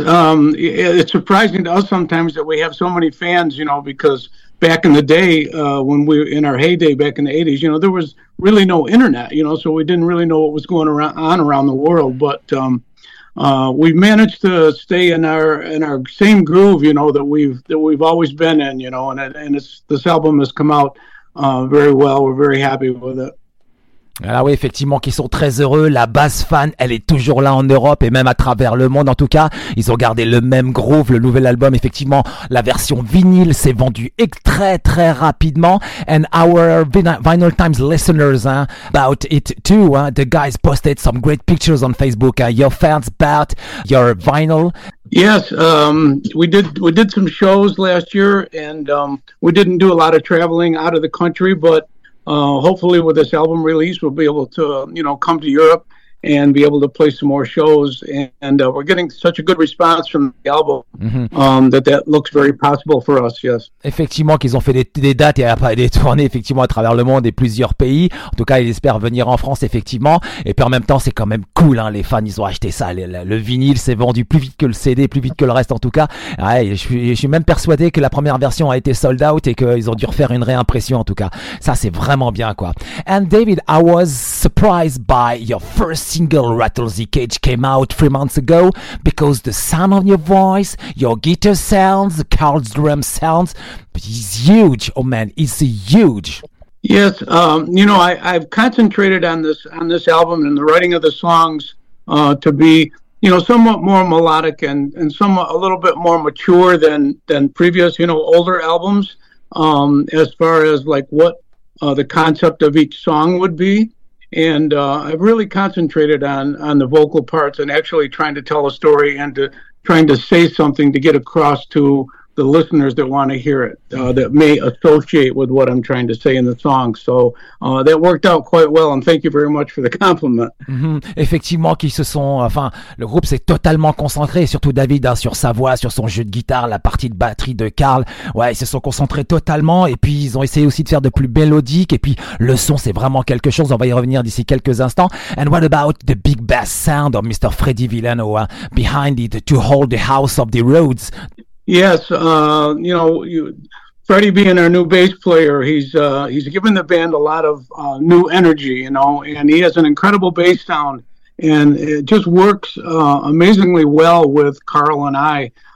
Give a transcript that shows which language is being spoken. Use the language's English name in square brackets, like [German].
[English] It's surprising to us sometimes that we have so many fans, you know, because back in the day, when we were in our heyday back in the 80s, you know, there was really no internet, you know, so we didn't really know what was going on around the world. But we've managed to stay in our same groove, you know, that we've always been in, you know, and it's, this album has come out very well. We're very happy with it. [French] Ah oui, effectivement, qu'ils sont très heureux. La base fan, elle est toujours là en Europe et même à travers le monde. En tout cas, ils ont gardé le même groove. Le nouvel album, effectivement, la version vinyle s'est vendue très, très rapidement. [English] And our Vinyl Times listeners, about it too, the guys posted some great pictures on Facebook. Your fans bought your vinyl. Yes, we did some shows last year and we didn't do a lot of traveling out of the country, but hopefully with this album release, we'll be able to, you know, come to Europe and be able to play some more shows. And we're getting such a good response from the album that looks very possible for us, yes. [French] Effectivement, qu'ils ont fait des dates et des tournées, effectivement, à travers le monde et plusieurs pays. En tout cas, ils espèrent venir en France, effectivement. Et puis en même temps, c'est quand même cool, hein, les fans, ils ont acheté ça. Le vinyle s'est vendu plus vite que le CD, plus vite que le reste, en tout cas. Ouais, je suis même persuadé que la première version a été sold out et qu'ils ont dû refaire une réimpression, en tout cas. Ça, c'est vraiment bien, quoi. [English] And David, I was surprised by your first single Rattle the Cage came out 3 months ago because the sound of your voice, your guitar sounds, the Carl's drum sounds, it's huge. Oh man, it's huge. Yes, you know, I've concentrated on this album and the writing of the songs to be, you know, somewhat more melodic and somewhat a little bit more mature than previous, you know, older albums, as far as like what the concept of each song would be. And I've really concentrated on the vocal parts and actually trying to tell a story and trying to say something to get across to the listeners that want to hear it, that may associate with what I'm trying to say in the song. So that worked out quite well, and thank you very much for the compliment. Mm-hmm. [French] Effectivement, qu'ils se sont, enfin, le groupe s'est totalement concentré, surtout David, hein, sur sa voix, sur son jeu de guitare, la partie de batterie de Carl. Ouais, ils se sont concentrés totalement, et puis ils ont essayé aussi de faire de plus mélodique, et puis le son, c'est vraiment quelque chose. On va y revenir d'ici quelques instants. [English] And what about the big bass sound of Mr. Freddy Villano behind it to hold the house of the roads? Yes, you know, Freddie being our new bass player, he's given the band a lot of new energy, you know, and he has an incredible bass sound, and it just works amazingly well with Carl and I.